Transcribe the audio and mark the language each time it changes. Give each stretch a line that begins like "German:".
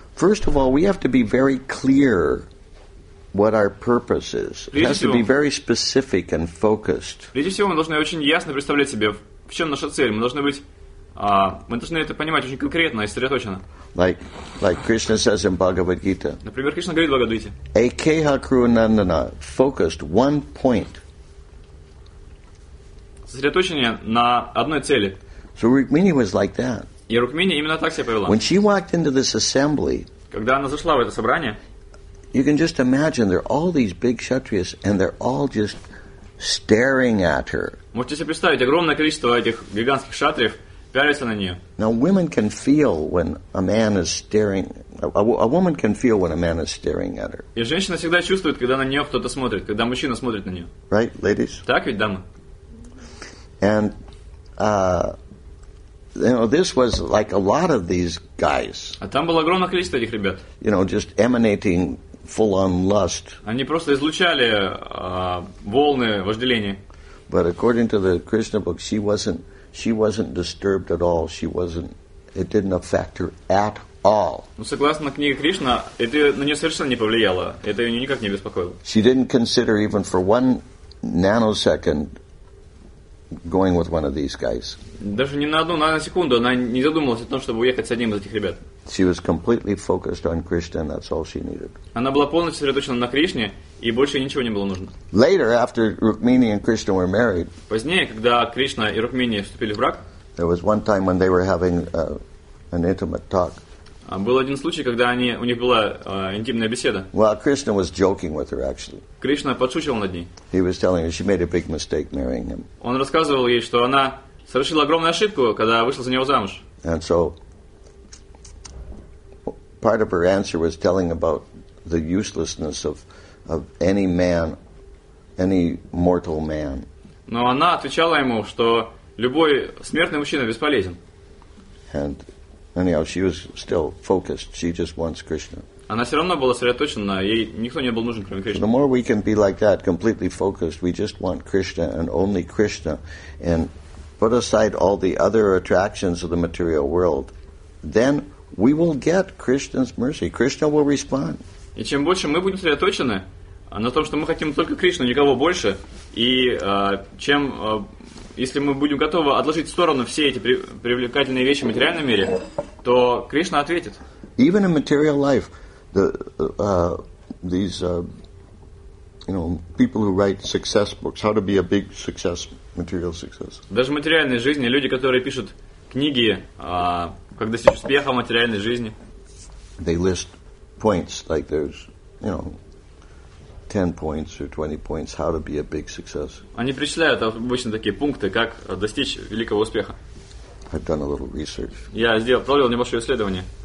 English: First of all, we have to be very clear what our purpose is. It has to be very specific and focused.
Russian: Прежде всего, мы должны очень ясно представлять себе, в чем наша цель. Мы должны это понимать очень конкретно и сосредоточенно.
English: Like Krishna says in Bhagavad Gita.
Russian: Например, Кришна говорит в Бхагавад-гите.
Sanskrit: Ekeha kru nandana,
English: focused one point.
Russian: Сосредоточение на одной цели.
English: So Rukmini was like that.
Russian: И Рукмини именно так себя повела.
English: When she walked into this assembly,
Russian: когда она зашла в это собрание,
English: you can just imagine there are all these big kshatriyas and they're all just staring at her.
Russian: Можете себе представить огромное количество этих гигантских кшатриев пялятся на неё.
English: Now women can feel when a man is staring. A woman can feel when a man is staring at her.
Russian: И женщина всегда чувствует, когда на неё кто-то смотрит, когда мужчина смотрит на неё.
English: Right, ladies?
Russian: Так ведь, дамы?
English: And you know, this was like a lot of these guys.
Russian: А там было огромное количество этих ребят.
English: You know, just emanating full-on lust.
Russian: Они просто излучали волны вожделения.
English: But according to the Krishna book, she wasn't disturbed at all. She wasn't. It didn't affect her at all.
Russian: Ну согласно книге Кришна, это на нее совершенно не повлияло. Это ее никак не беспокоило.
English: She didn't consider even for one nanosecond going with one of these guys.
Russian: Даже ни на одну наносекунду она не задумывалась о том, чтобы уехать с одним из этих ребят.
English: She was completely focused on Krishna, and that's all she needed.
Russian: Она была полностью сосредоточена на Кришне, и больше ничего не было нужно.
English: Later, after Rukmini and Krishna were married,
Russian: позднее, когда Кришна и Рукмини вступили в брак,
English: there was one time when they were having an intimate talk.
Russian: Был один случай, когда они у них была интимная беседа.
English: Well, Krishna was joking with her actually.
Russian: Кришна подшучивал над ней.
English: He was telling her she made a big mistake marrying him.
Russian: Он рассказывал ей, что она совершила огромную ошибку, когда вышла за него замуж.
English: And so part of her answer was telling about the uselessness of any man, any mortal man.
Russian: Но она отвечала ему, что любой смертный мужчина бесполезен.
English: And anyhow, she was still focused. She just wants Krishna.
Russian: Она все равно была сосредоточена. Ей никто не был нужен, кроме Кришны.
English: The more we can be like that, completely focused, we just want Krishna and only Krishna, and put aside all the other attractions of the material world, then we will get Krishna's mercy. Krishna will respond.
Russian: И чем больше мы будем сосредоточены на том, что мы хотим только Кришну, никого больше, и чем если мы будем готовы отложить в сторону все эти привлекательные вещи в материальном мире, то Кришна ответит.
English: Even in material life, you know, people who write success books, how to be a big success, material success.
Russian: Даже в материальной жизни люди, которые пишут книги, как достичь успеха в материальной жизни.
English: They list points like there's, you know, 10 points or 20 points how to be a big success.
Russian: Они перечисляют обычно такие пункты, как достичь великого успеха.
English: I've done a little research.
Russian: Я провел небольшое исследование.